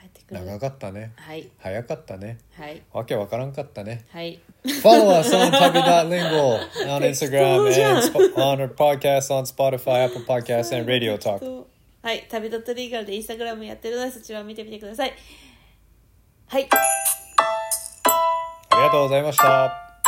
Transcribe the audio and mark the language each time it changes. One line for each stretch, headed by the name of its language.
Japanese: 長かったね。早かったね。わけわからんかったね。
English: Follow us on tabi.lingo on Instagram and on our podcast on Spotify, Apple Podcasts, and Radio Talk.
Japanese: tabi.lingo で Instagram やってるので、そちらを見てみてください。ありがとうございました。